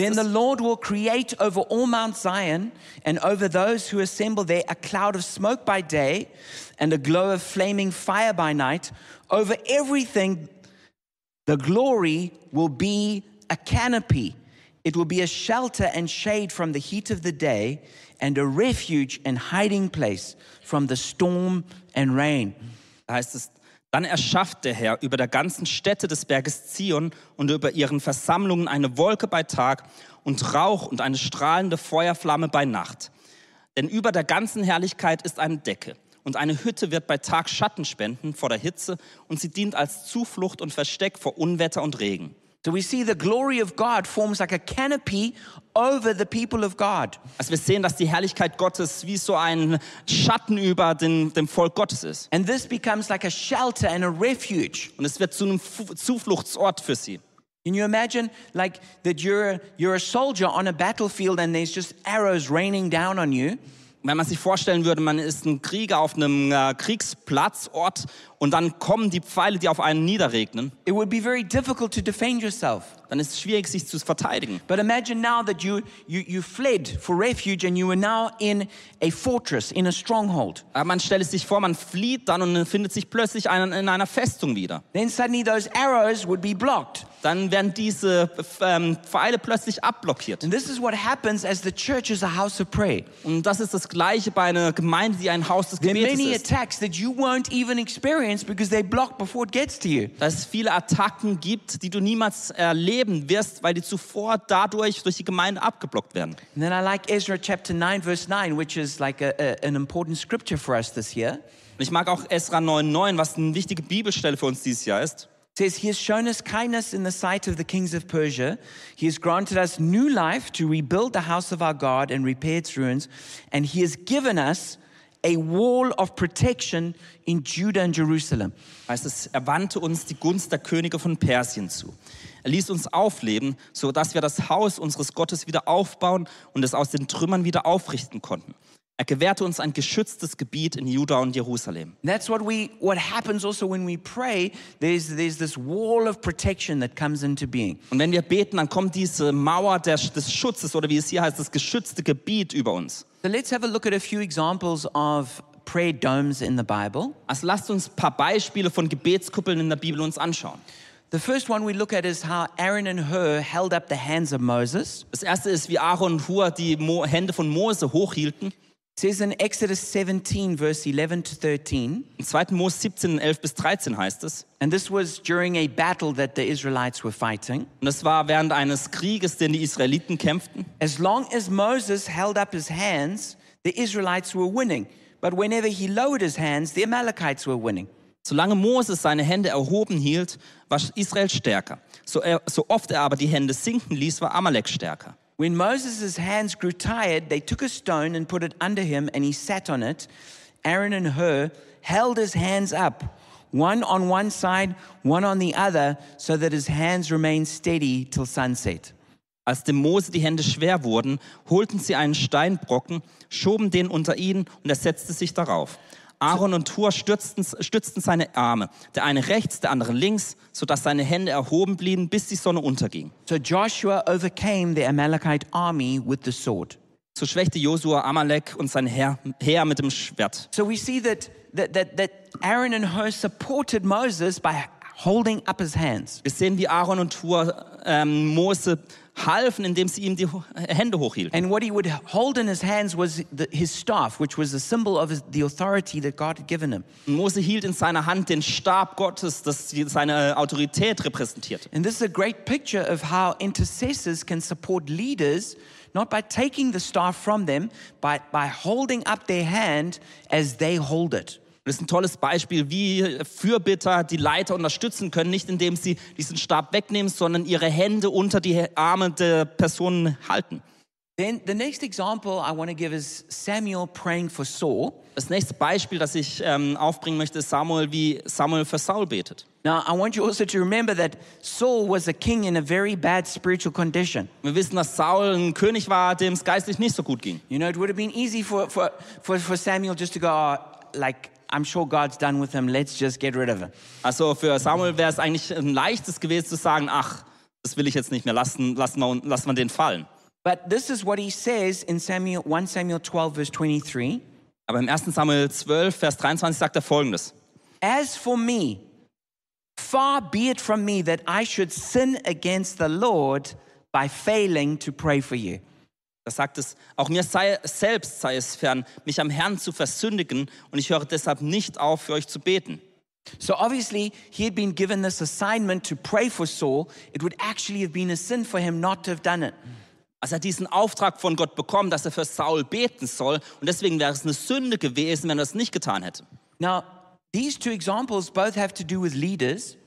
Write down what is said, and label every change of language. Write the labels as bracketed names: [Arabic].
[English] "Then the Lord will create over all Mount Zion and over those who assemble there a cloud of smoke by day and a glow of flaming fire by night. Over everything the glory will be a canopy. It will be a shelter and shade from the heat of the day and a refuge and hiding place from the storm and rain." [German] Da heißt es, "Dann erschafft der Herr über der ganzen Stätte des Berges Zion und über ihren Versammlungen eine Wolke bei Tag und Rauch und eine strahlende Feuerflamme bei Nacht. Denn über der ganzen Herrlichkeit ist eine Decke und eine Hütte wird bei Tag Schatten spenden vor der Hitze und sie dient als Zuflucht und Versteck vor Unwetter und Regen." [English] So we see the glory of God forms like a canopy over the people of God. [German] Also wir sehen, dass die Herrlichkeit Gottes wie so ein Schatten über dem Volk Gottes ist. [English] And this becomes like a shelter and a refuge. [German] Und es wird zu einem Zufluchtsort für sie. [English] Can you imagine like that you're a soldier on a battlefield and there's just arrows raining down on you? [German] Wenn man sich vorstellen würde, man ist ein Krieger auf einem Kriegsplatzort und dann kommen die Pfeile, die auf einen niederregnen. [English] It would be very difficult to defend yourself. [German] Dann ist es schwierig, sich zu verteidigen. [English] But imagine now that you fled for refuge and you are now in a fortress, in a stronghold. [German] Aber man stellt es sich vor, man flieht dann und findet sich plötzlich in einer Festung wieder. [English] Then suddenly those arrows would be blocked. [German] Dann werden diese Pfeile plötzlich abblockiert. [English] And this is what happens as the church is a house of prayer. [German] Und das ist das Gleiche bei einer Gemeinde, die ein Haus des Gebetes ist. [English] There are many attacks that you won't even experience because they block before it gets to you. [German] Dass es viele Attacken gibt, die du niemals erleben wirst, weil die zuvor dadurch durch die Gemeinde abgeblockt werden. [English] And then I like Ezra chapter 9 verse 9, which is like an important scripture for us this year. [German] Und ich mag auch Ezra 9:9, was eine wichtige Bibelstelle für uns dieses Jahr ist. [English] It says, "He has shown us kindness in the sight of the kings of Persia. He has granted us new life to rebuild the house of our God and repair its ruins. And he has given us a wall of protection in Judah and Jerusalem." [German] Heißt es, er wandte uns die Gunst der Könige von Persien zu. Er ließ uns aufleben, sodass wir das Haus unseres Gottes wieder aufbauen und es aus den Trümmern wieder aufrichten konnten. Er gewährte uns ein geschütztes Gebiet in Juda und Jerusalem. [English] That's what happens also when we pray. There's this wall of protection that comes into being. [German] Und wenn wir beten, dann kommt diese Mauer des Schutzes oder wie es hier heißt, das geschützte Gebiet über uns. [English] So let's have a look at a few examples of prayer domes in the Bible. [German] Also lasst uns ein paar Beispiele von Gebetskuppeln in der Bibel uns anschauen. [English] The first one we look at is how Aaron and Hur held up the hands of Moses. [German] Das erste ist, wie Aaron und Hur die Hände von Mose hochhielten. [English] It says in Exodus 17, verse 11 to 13. [German] In 2. Mose 17, 11 bis 13 heißt es. [English] And this was during a battle that the Israelites were fighting. [German] Und es war während eines Krieges, den die Israeliten kämpften. [English] As long as Moses held up his hands, the Israelites were winning. But whenever he lowered his hands, the Amalekites were winning. [German] Solange Moses seine Hände erhoben hielt, war Israel stärker. So oft er aber die Hände sinken ließ, war Amalek stärker. [English] When Moses' hands grew tired, they took a stone and put it under him and he sat on it. Aaron and Hur held his hands up, one on one side, one on the other, so that his hands remained steady till sunset. [German] Als dem Mose die Hände schwer wurden, holten sie einen Steinbrocken, schoben den unter ihn und er setzte sich darauf. Aaron und Hur stützten seine Arme, der eine rechts, der andere links, sodass seine Hände erhoben blieben, bis die Sonne unterging. [English] So Joshua overcame the Amalekite army with the sword. [German] So schwächte Josua Amalek und sein Heer mit dem Schwert. [English] So we see that Aaron and Hur supported Moses by holding up his hands. [German] Wir sehen, wie Aaron und Hur Mose halfen, indem sie ihm die Hände hochhielten. [English] And what he would hold in his hands was his staff, which was a symbol of the authority that God had given him. [German] Mose hielt in seiner Hand den Stab Gottes, das seine Autorität repräsentierte. [English] And this is a great picture of how intercessors can support leaders, not by taking the staff from them, but by holding up their hand as they hold it. [German] Das ist ein tolles Beispiel, wie Fürbitter die Leiter unterstützen können, nicht indem sie diesen Stab wegnehmen, sondern ihre Hände unter die Arme der Personen halten. [English] Then the next example I want to give is Samuel praying for Saul. [German] Das nächste Beispiel, das ich aufbringen möchte, ist Samuel, wie Samuel für Saul betet. [English] Now I want you also to remember that Saul was a king in a very bad spiritual condition. [German] Wir wissen, dass Saul ein König war, dem es geistlich nicht so gut ging. [English] You know, it would have been easy for Samuel just to go like, I'm sure God's done with him. Let's just get rid of him. [German] Also für Samuel wäre es eigentlich ein leichtes gewesen zu sagen, ach, das will ich jetzt nicht mehr. Lass mal den fallen. [English] But this is what he says in Samuel 1 Samuel 12 verse 23. [German] Aber im 1. Samuel 12 Vers 23 sagt er folgendes. [English] As for me, far be it from me that I should sin against the Lord by failing to pray for you. [German] Das sagt es, auch mir sei es fern, mich am Herrn zu versündigen, und ich höre deshalb nicht auf, für euch zu beten. [English] So obviously he had been given this assignment to pray for Saul. It would actually have been a sin for him not to have done it. [German] Also er hat diesen Auftrag von Gott bekommen, dass er für Saul beten soll, und deswegen wäre es eine Sünde gewesen, wenn er es nicht getan hätte. [English] Now these two examples both have to do with leaders.